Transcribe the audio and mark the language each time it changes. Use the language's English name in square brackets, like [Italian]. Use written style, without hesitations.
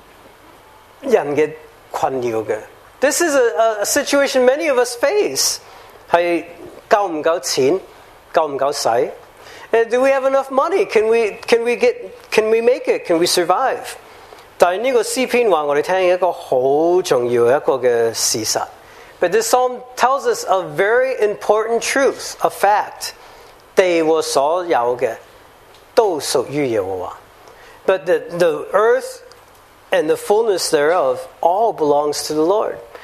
[Chinese] 这个是我们很多人的困扰的。 [English] This is a situation many of us face. [Chinese] 是够不够钱?够不够使? [English] Do we have enough money? Can we make it? Can we survive? [Chinese] 但这个诗篇说我们听一个很重要的一个事实。 [English] But this psalm tells us a very important truth, a fact. [Chinese] 地和所有的都属于耶和华。 [English] But the earth and the fullness thereof all belongs to the Lord.